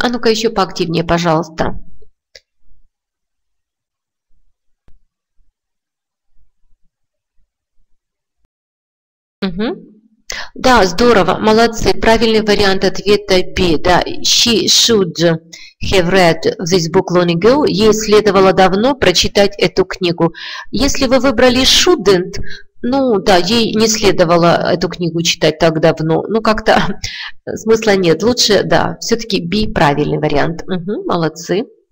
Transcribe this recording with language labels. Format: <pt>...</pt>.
<ru>А ну-ка еще поактивнее, пожалуйста. Да, здорово, молодцы. Правильный вариант ответа B. Да.</ru> <en>She should have read this book long ago.</en> <ru>Ей следовало давно прочитать эту книгу. Если вы выбрали shouldn't, ну да, ей не следовало эту книгу читать так давно. Ну как-то смысла нет. Лучше, да, все-таки B правильный вариант. Молодцы.</ru>